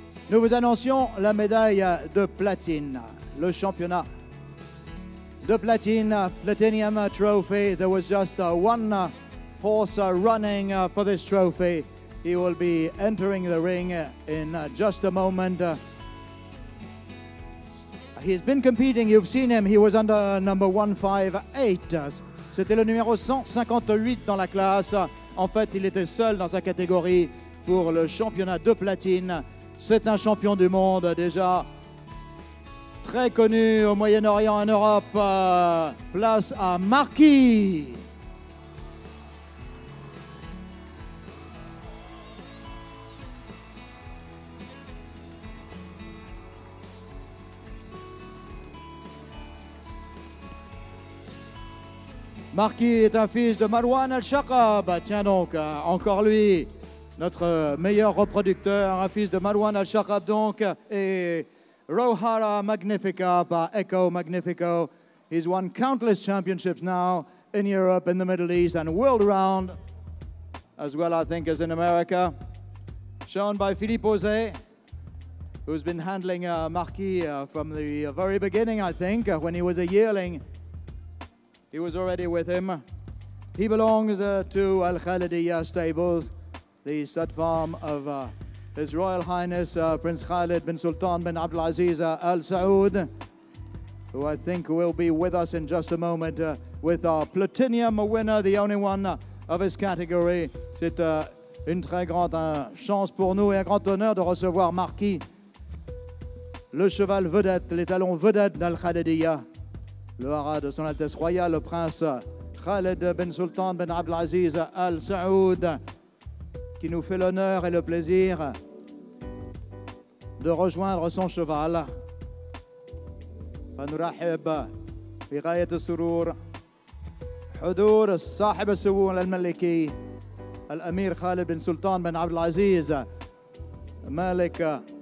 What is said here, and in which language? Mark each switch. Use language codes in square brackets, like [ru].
[fr] Nous vous annoncions la médaille de platine, le championnat de platine, Platinum Trophy. [en] There was just one horse running for this trophy. He will be entering the ring in just a moment. He's been competing, you've seen him. He was under number 158. [fr] C'était le numéro 158 dans la classe. En fait, il était seul dans sa catégorie pour le championnat de platine. C'est un champion du monde déjà très connu au Moyen-Orient et en Europe. Place à Marquis. Marquis est un fils de Marwan Al-Shaqab. Tiens donc, encore lui. Notre meilleur reproducteur, un fils de Marwan Al-Shaqab donc, et Rohara Magnifica par Echo Magnifico. [en] He's won countless championships now in Europe, in the Middle East, and world round, as well, I think, as in America. Shown by Philippe Ozé, who's been handling Marquis from the very beginning, I think, when he was a yearling. He was already with him. He belongs to Al Khalidiya Stables, the stud farm of His Royal Highness Prince Khalid bin Sultan bin Abdelaziz Al Saud, who I think will be with us in just a moment with our Platinum winner, the only one of his category. [fr] C'est une très grande chance pour nous et un grand honneur de recevoir Marquis, le cheval vedette, l'étalon vedette d'Al Khalidiya, le hara de son Altesse Royale, le prince Khalid bin Sultan bin Abdelaziz Al Saud, qui nous fait l'honneur et le plaisir de rejoindre son cheval. [ar] فنرحب في غاية السرور حضور صاحب السمو الملكي الأمير خالد بن سلطان بن عبد العزيز مالك